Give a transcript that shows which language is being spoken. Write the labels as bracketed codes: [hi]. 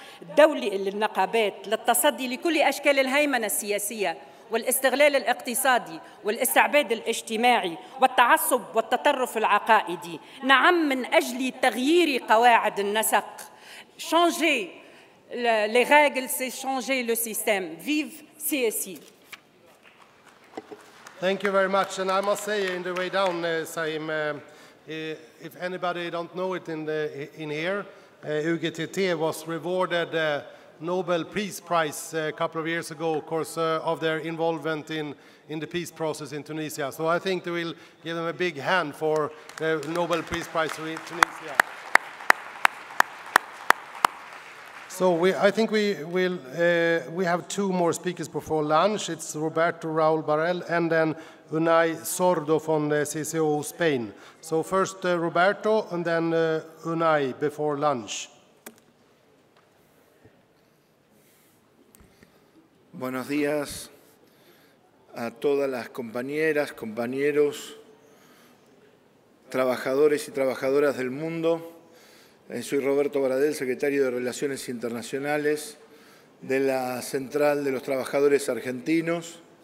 [ar] الدولي للنقابات للتصدي لكل أشكال الهيمنة السياسية والاستغلال الاقتصادي والاستعباد الاجتماعي والتعصب والتطرف العقائدي نعم من أجل تغيير قواعد النسق شانجي [fr] Les règles, c'est changer le système. Vive CSI. [en] Thank you very much. And I must say, in the way down, Saim, if anybody don't know it in here, UGTT was rewarded Nobel Peace Prize a couple of years ago, of course, of their involvement in the peace process in Tunisia. So I think they will give them a big hand for the Nobel Peace Prize in Tunisia. So we have two more speakers before lunch. It's Roberto Raul Barrel and then Unai Sordo from the CCO Spain. So first Roberto and then Unai before lunch. [es] Buenos días a todas las compañeras, compañeros, trabajadores y trabajadoras del mundo. Soy Roberto Baradel, secretario de Relaciones Internacionales de la Central de los Trabajadores Argentinos.